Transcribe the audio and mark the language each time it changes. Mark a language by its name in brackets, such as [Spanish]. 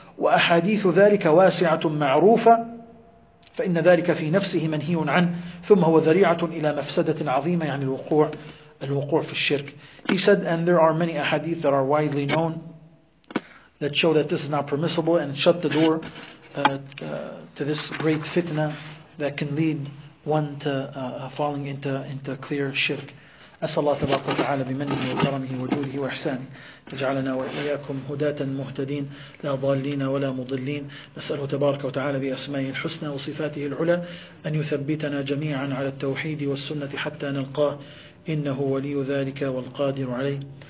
[Arabic] وأحاديث ذلك واسعة معروفة فإن ذلك في نفسه منهي عنه ثم هو ذريعة إلى مفسدة عظيمة يعني الوقوع في الشرك. [English] He said, and there are many ahadith that are widely known that show that this is not permissible and shut the door to this great fitna that can lead one to falling into clear shirk. [Arabic] أسأل الله تبارك وتعالى بمنه وكرمه وجوده وإحسانه يجعلنا وإياكم هداة مهتدين لا ضالين ولا مضلين. نسأله تبارك وتعالى بأسمائه الحسنى وصفاته العلى أن يثبتنا جميعا على التوحيد والسنة حتى نلقاه، إنه ولي ذلك والقادر عليه.